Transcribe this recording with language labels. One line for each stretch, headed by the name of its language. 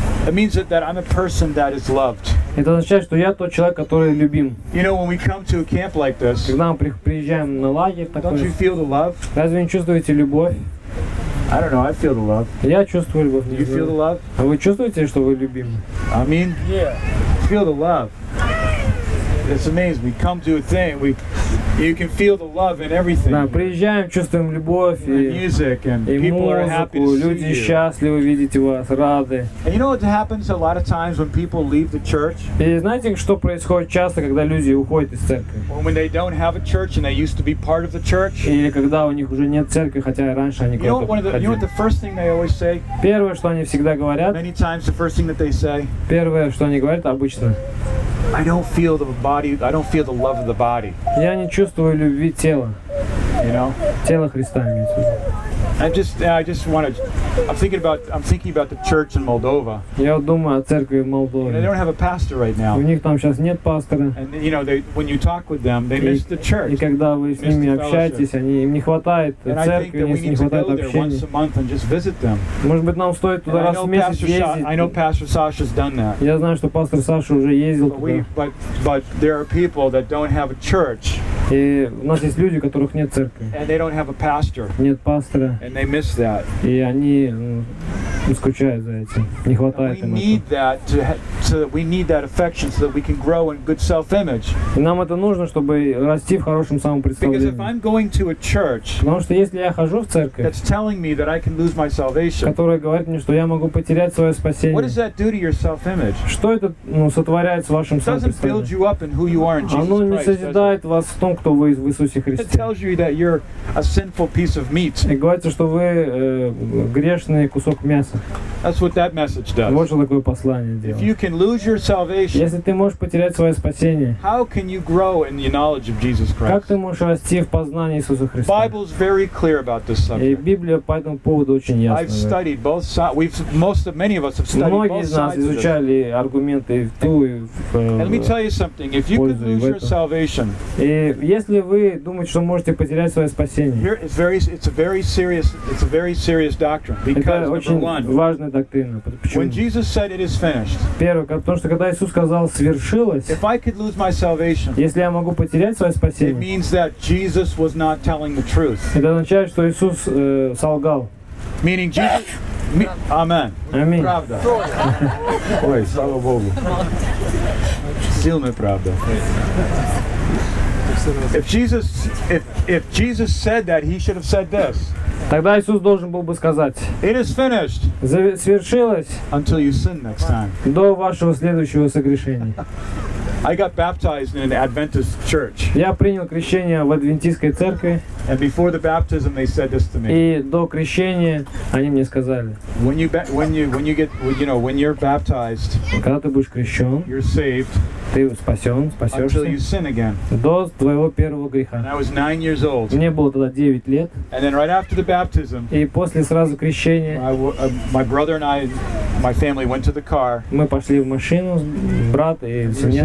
English: It means that I'm a person that is loved.
Russian: Это означает, что я тот человек, который любим.
English: You know, when we come to a camp like this,
Russian: когда мы приезжаем на лагерь такой,
English: don't you feel the love?
Russian: Разве не чувствуете любовь?
English: I don't know, I feel the love.
Russian: Я чувствую любовь.
English: Do you feel the love?
Russian: А вы чувствуете, что вы любимы?
English: I mean, yeah. Feel the love. It's amazing. We come to a thing, you can feel the love in everything.
Russian: Да, приезжаем, чувствуем любовь
English: and music and people are happy to see you.
Russian: Люди счастливы видеть вас, рады.
English: And you know what happens a lot of times when people leave the church?
Russian: И знаете, что происходит часто, когда люди уходят из церкви?
English: When they don't have a church and they used to be part of the church?
Russian: Или когда у них уже нет церкви, хотя раньше они куда-то ходили.
English: You know what the first thing they always say?
Russian: Первое, что они всегда говорят.
English: Many times the first thing that they say.
Russian: Первое, что они говорят обычно.
English: I don't feel the body. I don't feel the love of the body.
Russian: Я не чувствую любви тела.
English: You know?
Russian: Тело Христа имеет в виду.
English: I'm thinking about the church in Moldova.
Russian: Я думаю о церкви в Молдове.
English: They don't have a pastor right now.
Russian: У них там сейчас нет пастора.
English: And you know, when you talk with them, they miss the church.
Russian: И когда вы с ними общаетесь, им не хватает церкви, им не хватает общения.
English: Once a month and just visit them.
Russian: Может быть, нам стоит туда раз в месяц ездить.
English: I know Pastor Sasha's done that.
Russian: Я знаю, что пастор Саша уже ездил туда.
English: But there are people that don't have a church.
Russian: И у нас есть люди, у которых нет церкви.
English: And they don't have a pastor.
Russian: Нет пастора.
English: And they miss that.
Russian: И они скучают за этим. Не хватает им этого.
English: We need that affection so that we can grow in good self-image.
Russian: И нам это нужно, чтобы расти в хорошем самопредставлении.
English: Because if I'm going to a church,
Russian: потому что если я хожу в церковь,
English: that's telling me that I can lose my salvation,
Russian: которая говорит мне, что я могу потерять свое спасение.
English: What does that do to your self-image?
Russian: Что это сотворяет с вашим самопредставлением?
English: It doesn't build you up in who you are in Jesus Christ.
Russian: Оно не созидает вас в том, кто вы в Иисусе Христе.
English: It tells you that you're a sinful piece of meat.
Russian: Что вы грешный кусок мяса.
English: That's what that message does.
Russian: Вот что такое послание делает.
English: If you can lose your salvation,
Russian: если ты можешь потерять свое спасение,
English: how can you grow in the knowledge of Jesus Christ?
Russian: Как ты можешь расти в познании Иисуса Христа?
English: The Bible is very clear about this subject.
Russian: И Библия по этому поводу очень ясна.
English: I've studied both sides. Many of us have studied both sides.
Russian: Многие из нас изучали аргументы в ту и в пользу.
English: Let me tell you something. If you can lose your salvation,
Russian: и если вы думаете, что можете потерять свое спасение,
English: here it's a very serious doctrine. Because
Russian: очень важная доктрина. Почему?
English: When Jesus said it is finished.
Russian: Первое, потому что когда Иисус сказал свершилось.
English: If I could lose my salvation.
Russian: Если я могу потерять свое спасение.
English: It means that Jesus was not telling the truth.
Russian: Это означает, что Иисус солгал.
English: Meaning Jesus. Amen.
Russian: Аминь. Правда. Ой, слава Богу. Сильная правда.
English: If Jesus said that, he should have said this.
Russian: Тогда Иисус должен был бы сказать.
English: It is finished.
Russian: Свершилось.
English: Until you sin next time.
Russian: До вашего следующего согрешения.
English: I got baptized in an Adventist church.
Russian: Я принял крещение в адвентистской церкви.
English: And before the baptism, they said this to me.
Russian: И до крещения они мне сказали.
English: When you're baptized.
Russian: Когда ты будешь крещен.
English: You're saved.
Russian: Ты спасен, спасешься.
English: Until you sin again.
Russian: До твоего первого греха.
English: And I was 9 years old.
Russian: Мне было тогда 9 лет.
English: And then right after the baptism.
Russian: И после сразу крещения.
English: My brother and I, my family went to the car.
Russian: Мы пошли в машину, брат и семья.